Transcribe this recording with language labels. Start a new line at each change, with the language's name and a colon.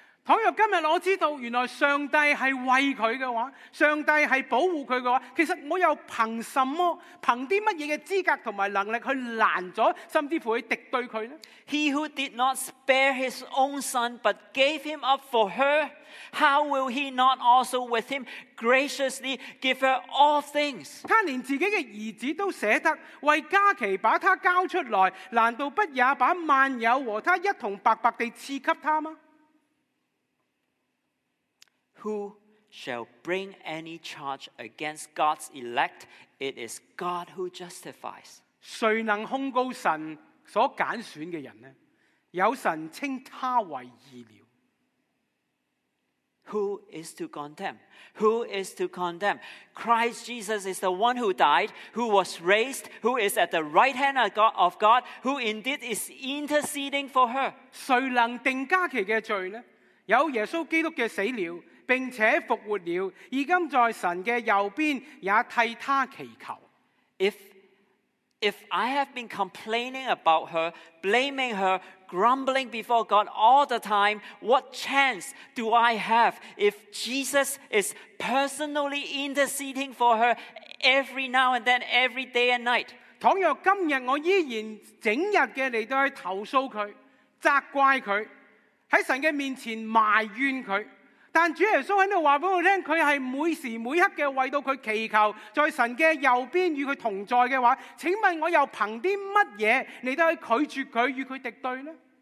Chinese: 倘若今日我知道原来上帝是为他的话，上帝是保护他的话，其实我又凭什么，凭什么的资格和能力去拦阻甚至乎去敌对他呢？
English: He who did not spare his own son but gave him up for her, how will he not also with him graciously give her all things?
Chinese: 他连自己的儿子都舍得为家期把他交出来，难道不也把万有和他一同白白地赐给他吗？
English: Who shall bring any charge against God's elect? It is God who justifies.
Chinese: 谁能控告神所拣选的人呢？有神称他为义了。
English: Who is to condemn? Who is to condemn? Christ Jesus is the one who died, who was raised, who is at the right hand of God, who indeed is interceding for her.
Chinese: 谁能定家期的罪呢？有耶稣基督的死了并且复活了，而今在神的右边也替他祈求。
English: If I have been complaining about her, blaming her, grumbling before God all the time, what chance do I have if Jesus is personally interceding for her every now and then, every day and night?
Chinese: 倘若今日我依然整日的来到去投诉他，责怪他，在神的面前埋怨他，但主耶稣在这里告诉我们，他是每时每刻的为到他祈求，在神的右边与他同在的话，请问我又凭什么来到去拒绝他与他敌对呢？